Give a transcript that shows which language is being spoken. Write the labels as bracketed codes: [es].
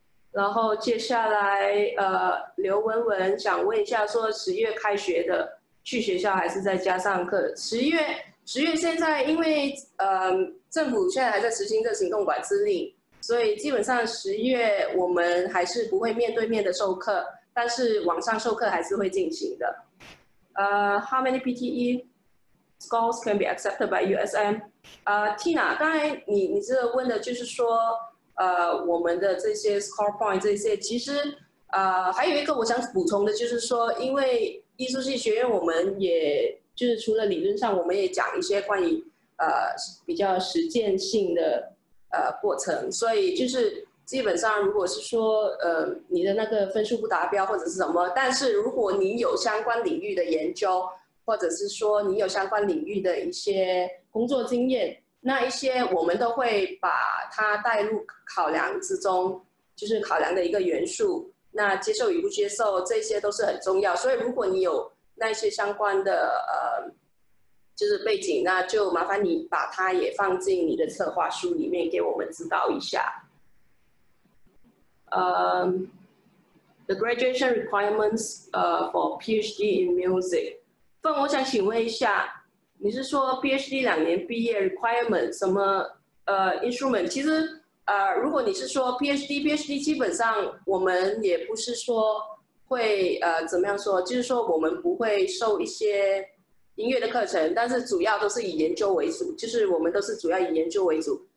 [zh] 然后接下来刘文文想问一下，说十月开学的去学校还是在家上课？十月现在因为政府现在还在实行这行动管制令，所以基本上十月我们还是不会面对面的授课。但是网上授课还是会进行的。 [en] How many PTE scores can be accepted by USM？ [zh] Tina， 刚才你这个问的就是说，我们的这些 score point 这些，其实还有一个我想补充的就是说，因为艺术系学院我们也就是除了理论上，我们也讲一些关于比较实践性的过程，所以就是。基本上如果是说你的那个分数不达标或者是什么，但是如果你有相关领域的研究，或者是说你有相关领域的一些工作经验，那一些我们都会把它带入考量之中，就是考量的一个元素，那接受与不接受这些都是很重要。所以如果你有那些相关的就是背景，那就麻烦你把它也放进你的策划书里面给我们知道一下。 [en] The graduation requirements for PhD in music. [zh] 凤，我想请问一下，你是说 PhD 两年毕业 requirement 什么instrument？其实如果你是说 PhD 基本上我们也不是说会怎么样说，就是说我们不会受一些音乐的课程，但是主要都是以研究为主，就是我们都是主要以研究为主。